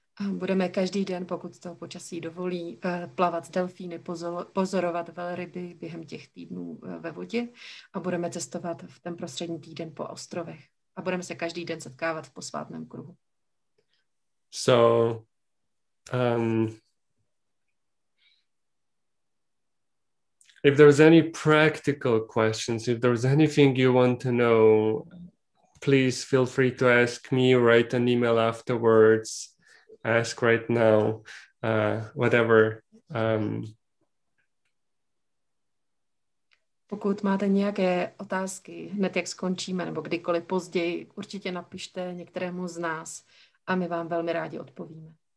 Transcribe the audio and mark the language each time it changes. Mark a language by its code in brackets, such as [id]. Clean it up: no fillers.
[cs] Budeme každý den, pokud to počasí dovolí, plavat s delfíny, pozorovat velryby během těch týdnů ve vodě a budeme cestovat v ten prostřední týden po ostrovech a budeme se každý den setkávat v posvátném kruhu. [en] So if there's any practical questions, if there's anything you want to know, please feel free to ask me, write an email afterwards, ask right now, whatever. [cs] Pokud máte nějaké otázky, hned jak skončíme, nebo kdykoliv později, určitě napište některému z nás a my vám velmi rádi odpovíme.